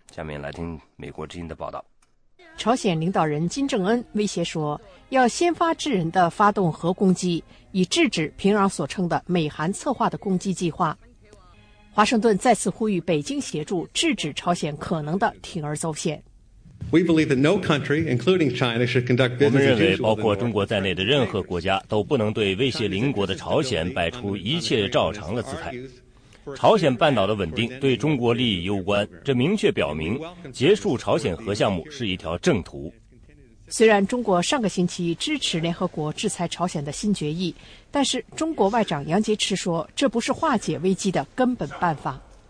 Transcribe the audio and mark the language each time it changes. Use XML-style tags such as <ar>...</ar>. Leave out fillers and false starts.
<zh>下面来听美国之音的报道。朝鲜领导人金正恩威胁说，要先发制人的发动核攻击，以制止平壤所称的美韩策划的攻击计划。华盛顿再次呼吁北京协助制止朝鲜可能的铤而走险。</zh> <en>We believe that no country, including China, should conduct business.</en> <zh>我们认为，包括中国在内的任何国家都不能对威胁邻国的朝鲜摆出一切照常的姿态。朝鲜半岛的稳定对中国利益攸关，这明确表明结束朝鲜核项目是一条正途。虽然中国上个星期支持联合国制裁朝鲜的新决议，但是中国外长杨洁篪说，这不是化解危机的根本办法。</zh>